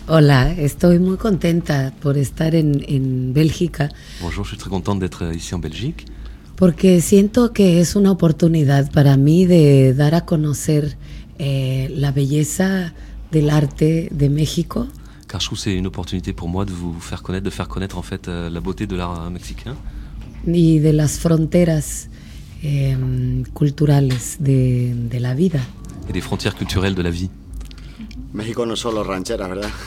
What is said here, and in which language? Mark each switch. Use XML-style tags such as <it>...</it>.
<es>Hola, estoy muy contenta por estar en Bélgica.</es> <fr>Bonjour, je suis très contente d'être ici en Belgique.</fr> <es>Porque siento que es una oportunidad para mí de dar a conocer la belleza del arte de México.</es> <fr>Car je trouve que c'est une opportunité pour moi de vous faire connaître, en fait la beauté de l'art mexicain.</fr> <es>Y de las fronteras culturales de la vida.</es> <fr>Et des frontières culturelles de la vie.</fr> <es>México no solo ranchera, ¿verdad?</es>